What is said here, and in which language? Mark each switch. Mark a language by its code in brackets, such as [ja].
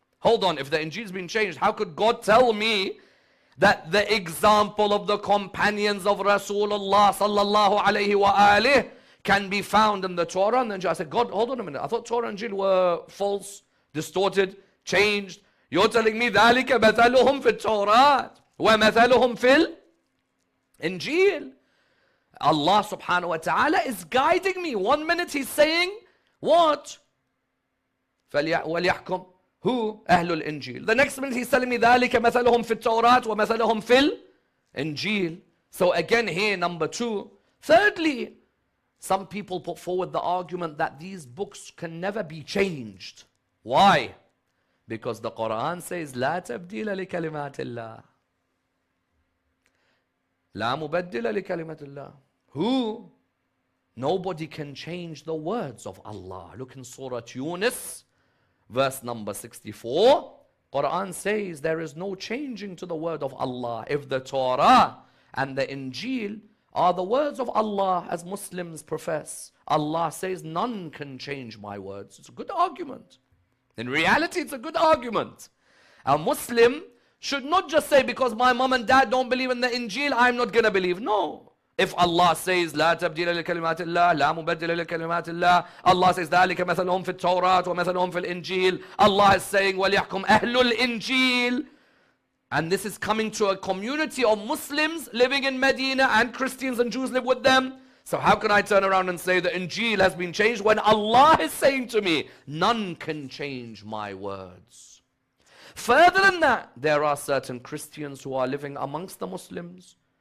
[en] Hold on, if the Injil has been changed, how could God tell me that the example of the companions of Rasulullah sallallahu alayhi wa alihi can be found in the Torah? And then I said, God, hold on a minute. I thought Torah and Injil were false, distorted, changed. You're telling me, [ar] ذَلِكَ مَثَلُهُمْ فِي التَّوْرَاتِ وَمَثَلُهُمْ فِي الْإِنْجِيلِ. [en] Allah subhanahu wa ta'ala is guiding me. One minute he's saying, what? [ar] وَلْيَحْكُمْ [en] Who? [ar] Ahlul Injil. [en] The next minute he's telling me, [ar] ذَلِكَ مَثَلُهُمْ فِي التَّوْرَاتِ وَمَثَلُهُمْ فِي الْإِنْجِيلِ. [en] So again here, number two. Thirdly, some people put forward the argument that these books can never be changed. Why? Because the Quran says, [ar] لَا تَبْدِيلَ لِكَلِمَاتِ اللَّهِ. لَا مُبَدِّلَ لِكَلِمَاتِ اللَّهِ. [en] Who? Nobody can change the words of Allah. Look in Surah Yunus. Verse number 64, Quran says there is no changing to the word of Allah. If the Torah and the Injil are the words of Allah, as Muslims profess, Allah says none can change my words. It's a good argument. In reality, it's a good argument. A Muslim should not just say, because my mom and dad don't believe in the Injil, I'm not going to believe. No. If Allah says, [ar] لا تبديل لكلمات الله, لا مبدل لكلمات الله, [en] Allah says, [ar] ذلك مثلهم في التوراة ومثلهم في الإنجيل, [en] Allah is saying, [ar] وليحكم أهل الإنجيل. [en] And this is coming to a community of Muslims living in Medina, and Christians and Jews live with them. So how can I turn around and say the Injil has been changed when Allah is saying to me, none can change my words? Further than that, there are certain Christians who are living amongst the Muslims.